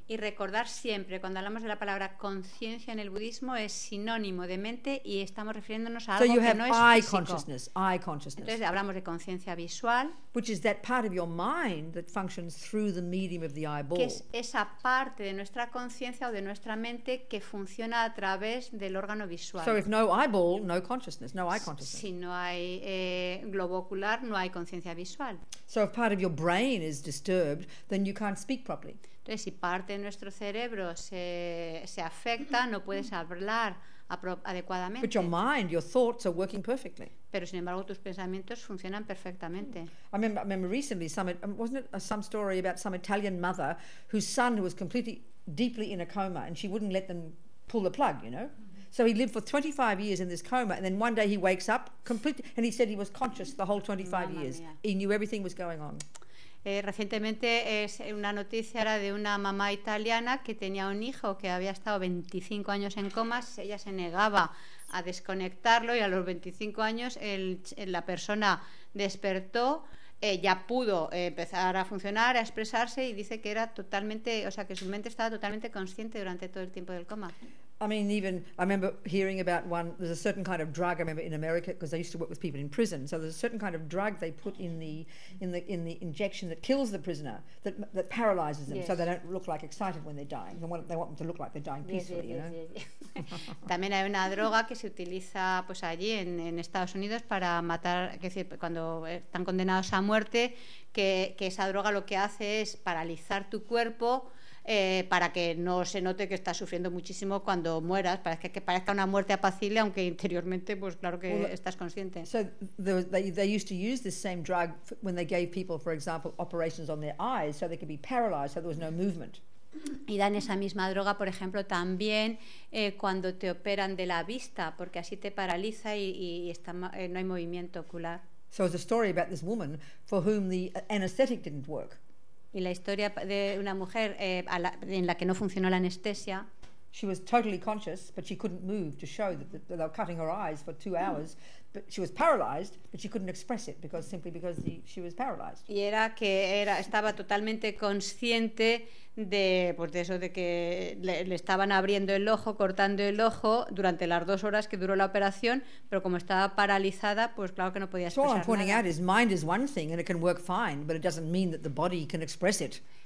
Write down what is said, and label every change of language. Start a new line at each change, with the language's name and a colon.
Spanish: Y recordar siempre, cuando hablamos de la palabra conciencia en el budismo, es sinónimo de mente y estamos refiriéndonos a algo que no es físico.
English: So you have eye consciousness.
Spanish: Entonces hablamos de conciencia visual,
English: which is that part of your mind that functions through the medium of the eyeball.
Spanish: Que es esa parte de nuestra conciencia o de nuestra mente que funciona a través del órgano visual.
English: So if no eyeball, no consciousness, no eye consciousness.
Spanish: Si no hay globo ocular, no hay conciencia visual.
English: So if part of your brain is disturbed, then you can't speak properly.
Spanish: Entonces, si parte de nuestro cerebro se afecta, no puedes hablar adecuadamente.
English: But your mind, your thoughts are working perfectly.
Spanish: Pero sin embargo, tus pensamientos funcionan perfectamente.
English: I remember recently some story about some Italian mother whose son was completely deeply in a coma and she wouldn't let them pull the plug, you know? So he lived for 25 years in this coma, and then one day he wakes up completely, and he said he was conscious the whole 25
Italian: Mamma
English: years.
Italian: Mia.
English: He knew everything was going on.
Spanish: Recientemente es una noticia era de una mamá italiana que tenía un hijo que había estado 25 años en coma. Ella se negaba a desconectarlo, y a los 25 años la persona despertó. Ya pudo empezar a funcionar, a expresarse, y dice que era totalmente, o sea, que su mente estaba totalmente consciente durante todo el tiempo del coma.
English: I mean, even I remember hearing about one. There's a certain kind of drug, I remember, in America, because they used to work with people in prison. So there's a certain kind of drug they put in the injection that kills the prisoner, that paralyzes them, yes. So they don't look like excited when they're dying. They want them to look like they're dying peacefully. Yes, yes, you know. Yes, yes.
Spanish: También hay una droga que se utiliza pues allí en Estados Unidos para matar, es decir, cuando están condenados a muerte, que esa droga lo que hace es paralizar tu cuerpo. Para que no se note que estás sufriendo muchísimo cuando mueras, para que parezca una muerte apacible, aunque interiormente, pues claro que estás consciente.
English: So they used to use this same drug when they gave people, for example, operations on their eyes, so they could be paralyzed, so there was no movement.
Spanish: Y dan esa misma droga, por ejemplo, también cuando te operan de la vista, porque así te paraliza y no hay movimiento ocular.
English: So there's a story about this woman for whom the anesthetic didn't work.
Spanish: Y la historia de una mujer en la que no funcionó la anestesia.
English: She was totally conscious, but she couldn't move to show that they were cutting her eyes for 2 hours. But she was paralyzed, but she couldn't express it because she was paralyzed.
Spanish: Y era que estaba totalmente consciente de que le estaban abriendo el ojo, cortando el ojo durante las 2 horas que duró la operación, pero como estaba paralizada, pues claro que no podía expresar nada.
English: So what I'm pointing out is mind is one thing and it can work fine, but it doesn't mean that the body can express it.